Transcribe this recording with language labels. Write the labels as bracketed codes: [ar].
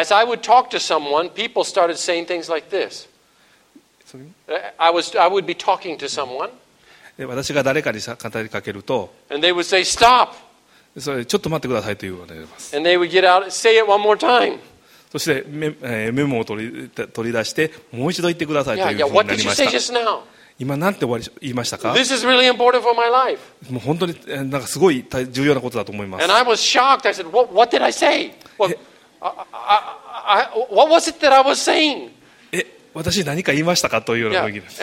[en] As I would talk to someone, people started saying things like this. I would be talking to someone. [ja] で私が誰かに語りかけると、 [en] And they would say, stop! [ja] それちょっと待ってくださいと言われます。 [en] And they would get out, say it one more time. [ja] そして メモを取り出してもう一度言ってくださいというふうになりました。 yeah, yeah. 今何て言いましたか。 [en] This is really important for my life. [ja] もう本当になんかすごい重要なことだと思います。 [en] And I was shocked. I said, what did I say? What was it that I was saying? [ja] 私何か言いましたかというような雰囲気です。